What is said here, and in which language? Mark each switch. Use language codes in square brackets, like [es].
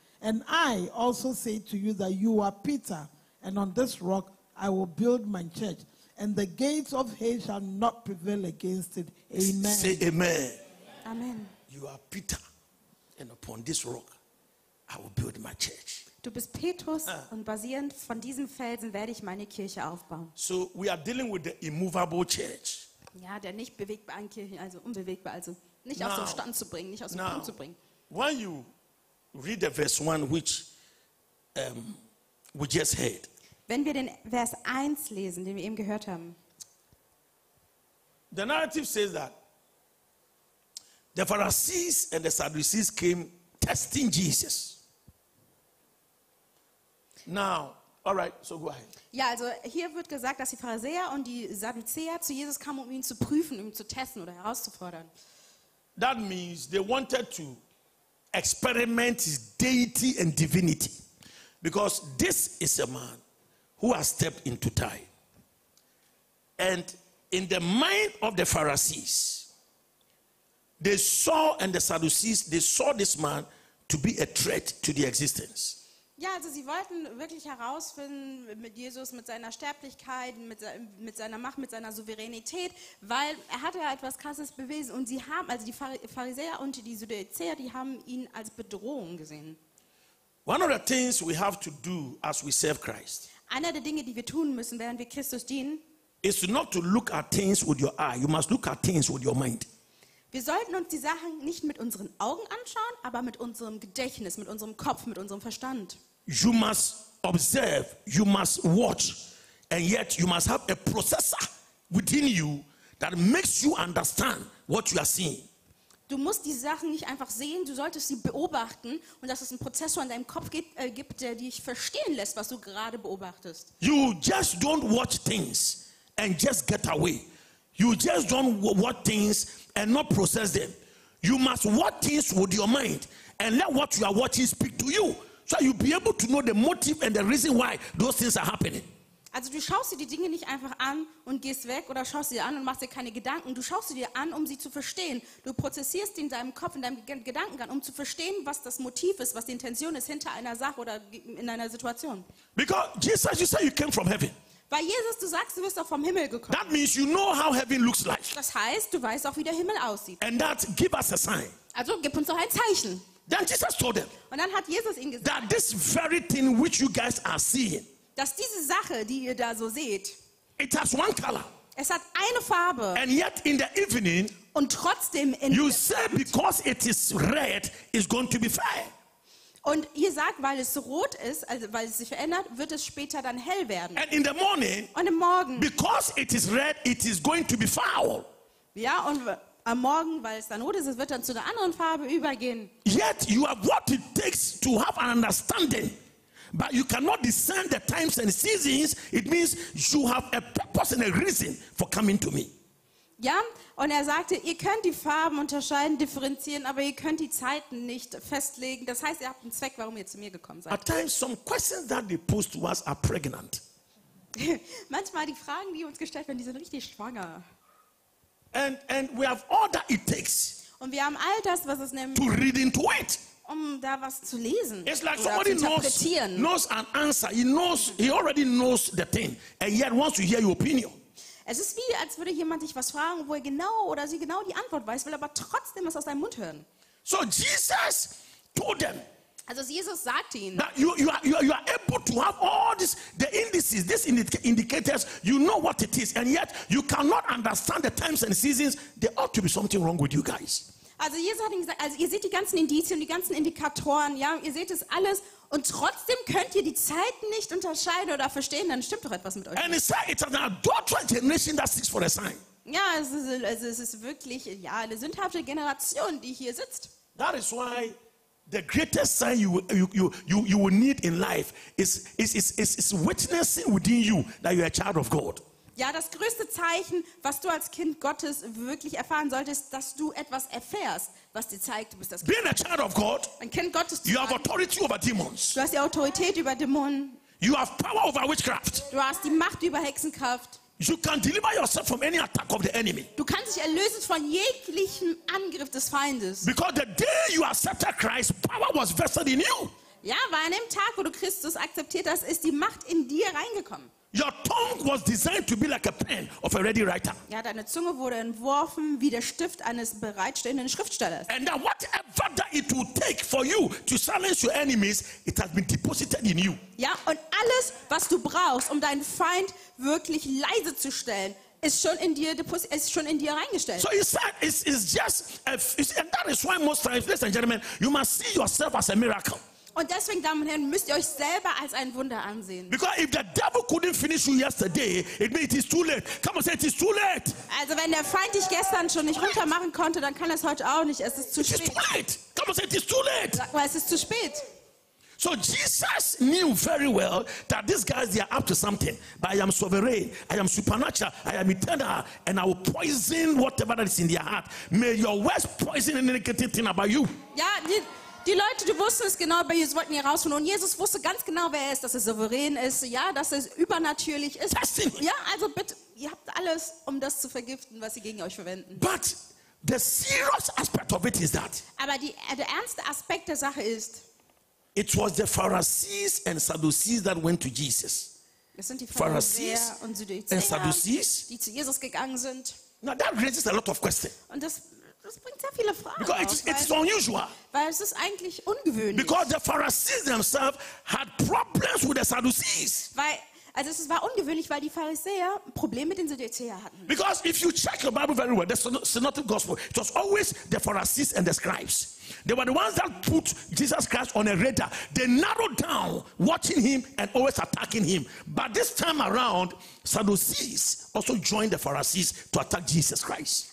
[en] And I also say to you that you are Peter, and on this rock I will build my church, and the gates of hell shall not prevail against it. Amen. Say amen. Amen. You are Peter, and upon this rock I will build my church. [de] Du bist Petrus, und basierend von diesem Felsen werde ich meine Kirche aufbauen. [en] So we are dealing with the immovable church. [de] Ja, der nicht bewegbaren Kirche, also unbewegbar, also nicht aus dem Stand zu bringen, nicht aus dem Punkt zu bringen. [en] When you read the verse 1, which we just heard. [de] Wenn wir den Vers 1 lesen, den wir eben gehört haben. [en] The narrative says that the Pharisees and the Sadducees came testing Jesus. Now, all right, so go ahead. [de] Ja, also hier wird gesagt, dass die Pharisäer und die Sadduzäer zu Jesus kamen, um ihn zu prüfen, um ihn zu testen oder herauszufordern. [en] That means they wanted to experiment his deity and divinity. Because this is a man who has stepped into time. And in the mind of the Pharisees, they saw, and the Sadducees, they saw this man to be a threat to the existence. [de] Ja, also sie wollten wirklich herausfinden mit Jesus, mit seiner Sterblichkeit, mit seiner Macht, mit seiner Souveränität, weil er hatte ja etwas Krasses bewiesen und sie haben, also die Pharisäer und die Sadduzäer, die haben ihn als Bedrohung gesehen. [en] One of the things we have to do as we serve Christ. [de] Einer der Dinge, die wir tun müssen, während wir Christus dienen, [en] is not to look at things with your eye. You must look at things with your mind. [de] Wir sollten uns die Sachen nicht mit unseren Augen anschauen, aber mit unserem Gedächtnis, mit unserem Kopf, mit unserem Verstand. [en] You must observe, you must watch, and yet you must have a processor within you that makes you understand what you are seeing. [de] Du musst die Sachen nicht einfach sehen, du solltest sie beobachten und dass es einen Prozessor in deinem Kopf gibt, der dich verstehen lässt, was du gerade beobachtest. [en] You just don't watch things and just get away. You just don't watch things and not process them. You must watch things with your mind and let what you are watching speak to you, so you'll be able to know the motive and the reason why those things are happening. [de] Also du schaust dir die Dinge nicht einfach an und gehst weg oder schaust sie an und machst dir keine Gedanken. Du schaust sie dir an, um sie zu verstehen. Du prozessierst sie in deinem Kopf, in deinem Gedankengang, um zu verstehen, was das Motiv ist, was die Intention ist hinter einer Sache oder in einer Situation. [en] Because Jesus, you said you came from heaven. [de] Weil Jesus, du sagst, du bist auch vom Himmel gekommen. [en] That means you know how heaven looks like. [de] Das heißt, du weißt auch, wie der Himmel aussieht. [en] And that, give us a sign. [de] Also gib uns doch ein Zeichen. [en] Then Jesus told them, [de] und dann hat Jesus ihnen gesagt, [en] that this very thing which you guys are seeing, [de] dass diese Sache, die ihr da so seht, [en] it has one color. [de] Es hat eine Farbe. [en] And yet in the evening, [de] und trotzdem in [en] you say, because it is red, it's going to be fair. [de] Und ihr sagt, weil es rot ist, also weil es sich verändert, wird es später dann hell werden. [en] And in the morning, [de] und im Morgen, [en] because it is red, it is going to be foul. [de] Ja, und am Morgen, weil es dann rot ist, es wird dann zu einer anderen Farbe übergehen. [en] Yet you have what it takes to have an understanding. But you cannot discern the times and seasons. It means you have a purpose and a reason for coming to me. [de] Ja, und er sagte, ihr könnt die Farben unterscheiden, differenzieren, aber ihr könnt die Zeiten nicht festlegen. Das heißt, ihr habt einen Zweck, warum ihr zu mir gekommen seid. [en] At times, some questions that they pose to us are pregnant. [de] Manchmal die Fragen, die uns gestellt werden, die sind richtig schwanger. [en] And we have all that it takes. [de] Und wir haben all das, was es nämlich. [en] To read into it. [de] Um da was zu lesen. [en] It's like somebody knows an answer. He knows, he already knows the thing, and yet wants to hear your opinion. [de] Es ist wie, als würde jemand dich was fragen, wo er genau oder sie genau die Antwort weiß, will aber trotzdem es aus deinem Mund hören. [en] So Jesus told them. [de] Also Jesus sagt ihnen. [en] That you are able to have all this, the indices, these indicators, you know what it is, and yet you cannot understand the times and seasons. There ought to be something wrong with you guys. [de] Also Jesus hat ihnen gesagt, also ihr seht die ganzen Indizien, die ganzen Indikatoren, ja, ihr seht es alles und trotzdem könnt ihr die Zeiten nicht unterscheiden oder verstehen, dann stimmt doch etwas mit euch. [en] And it's like it's an adulterous generation that seeks for a sign. [de] Ja, es ist wirklich, ja, eine sündhafte Generation, die hier sitzt. [en] That is why the greatest sign you will need in life is witnessing within you that you are a child of God. [de] Ja, das größte Zeichen, was du als Kind Gottes wirklich erfahren solltest, dass du etwas erfährst, was dir zeigt, du bist das Kind. [en] Being a child of God, [de] ein Kind Gottes, [en] you have authority over demons. [de] Du hast die Autorität über Dämonen. [en] You have power over witchcraft. [de] Du hast die Macht über Hexenkraft. [en] You can deliver yourself from any attack of the enemy. [de] Du kannst dich erlösen von jeglichem Angriff des Feindes. [en] Because the day you accepted Christ, power was vested in you. [de] Ja, weil an dem Tag, wo du Christus akzeptiert hast, ist die Macht in dir reingekommen. [en] Your tongue was designed to be like a pen of a ready writer. [de] Ja, deine Zunge wurde entworfen wie der Stift eines bereitstehenden Schriftstellers. [en] And that whatever that it will take for you to silence your enemies, it has been deposited in you. [de] Ja, und alles, was du brauchst, um deinen Feind wirklich leise zu stellen, ist schon in dir reingestellt. [en] So and that is why most times, ladies and gentlemen, you must see yourself as a miracle. [de] Und deswegen, Damen und Herren, müsst ihr euch selber als ein Wunder ansehen. [en] Because if the devil couldn't finish you yesterday, it means it is too late. Come on, say it is too late. [de] Also wenn der Feind dich gestern schon nicht runtermachen konnte, dann kann er es heute auch nicht. Es ist zu spät. [en] It is too late. Come on, say it is too late. [de] Sag mal, es ist zu spät. [en] So Jesus knew very well that these guys, they are up to something. But I am sovereign, I am supernatural, I am eternal, and I will poison whatever that is in their heart. May your words poison any negative thing about you. [de] Ja, die Leute, die wussten es genau, aber sie wollten ihn rausholen. Und Jesus wusste ganz genau, wer er ist, dass er souverän ist, ja, dass er übernatürlich ist. [en] Testing. [de] Ja, also bitte, ihr habt alles, um das zu vergiften, was sie gegen euch verwenden. [en] But the serious aspect of it is that. [de] Aber der ernste Aspekt der Sache ist. [en] It was the Pharisees and Sadducees that went to Jesus. [de] Es sind die Pharisäer und Sadduzäer, [en] Sadducees, [de] die zu Jesus gegangen sind. [en] Now that raises a lot of questions. [de] Und das bringt sehr viele Fragen. [en] Because it's unusual. [de] Weil es ist eigentlich ungewöhnlich. [en] Because the Pharisees themselves had problems with the Sadducees. [de] Also es war ungewöhnlich, weil die Pharisäer Probleme mit den Sadduzäern hatten. [en] Because if you check your Bible very well, the synoptic gospel, it was always the Pharisees and the scribes. They were the ones that put Jesus Christ on a radar. They narrowed down, watching him and always attacking him. But this time around, Sadducees also joined the Pharisees to attack Jesus Christ.